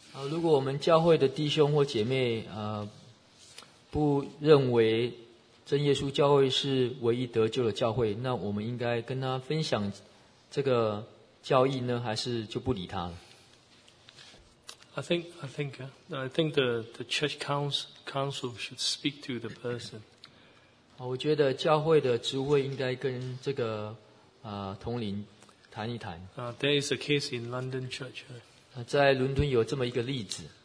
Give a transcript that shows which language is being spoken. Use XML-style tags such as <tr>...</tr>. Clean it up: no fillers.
<zh>如果我们教会的弟兄或姐妹不认为真耶稣教会是唯一得救的教会，那我们应该跟他分享这个教义呢，还是就不理他了？</zh> <en>I think the church council should speak to the person.</en> <zh>我觉得教会的职会应该跟这个同龄谈一谈。</zh> <en>There is a case in London church.</en> <zh>在伦敦有这么一个例子。</zh>